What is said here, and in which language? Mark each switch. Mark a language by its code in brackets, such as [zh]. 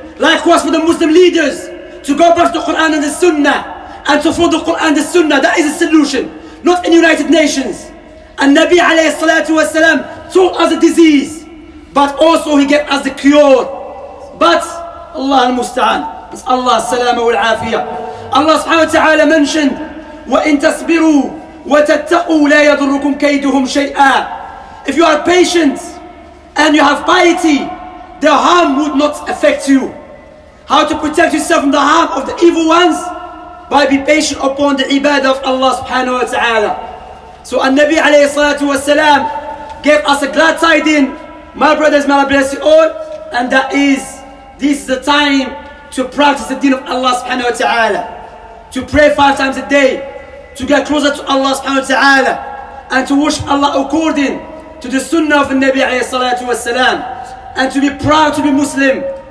[en] Likewise for the Muslim leaders, to go back to the Quran and the Sunnah, and to follow the Quran and the Sunnah. That is a solution. Not in the United Nations. And Nabi alayhi salatu wasalam taught us a disease, but also he gave us the cure. But Allah al-musta'an, it's Allah salama wa al-afiyah. Allah subhanahu wa ta'ala mentioned, [ar] وَإِن تَصْبِرُوا وَتَتَّقُوا لَا يَضُرُّكُمْ كَيْدُهُمْ شَيْئًا. [en] If you are patient and you have piety, the harm would not affect you. How to protect yourself from the harm of the evil ones? By being patient upon the ibadah of Allah subhanahu wa ta'ala. So Al-Nabi alayhi salatu wa salam gave us a glad tidings, my brothers, may Allah bless you all, and that is, this is the time to practice the deen of Allah subhanahu wa ta'ala, to pray 5 times a day, to get closer to Allah subhanahu wa ta'ala, and to worship Allah according to the sunnah of Nabi alayhi salatu wa salam, and to be proud to be Muslim.